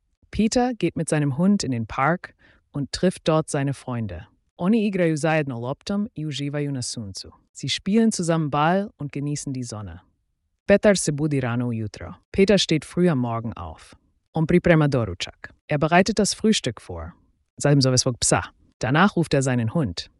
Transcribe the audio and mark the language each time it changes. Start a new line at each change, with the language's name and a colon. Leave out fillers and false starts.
German: Peter geht mit seinem Hund in den Park und trifft dort seine Freunde.
Croatian: Oni igraju zajedno loptom i uživaju na suncu.
German: Sie spielen zusammen Ball und genießen die Sonne.
Croatian: Peter se budi rano ujutro.
German: Peter steht früh am Morgen auf.
Croatian: On priprema doručak.
German: Er bereitet das Frühstück vor.
Croatian: Zatim zove svog psa.
German: Danach ruft seinen Hund.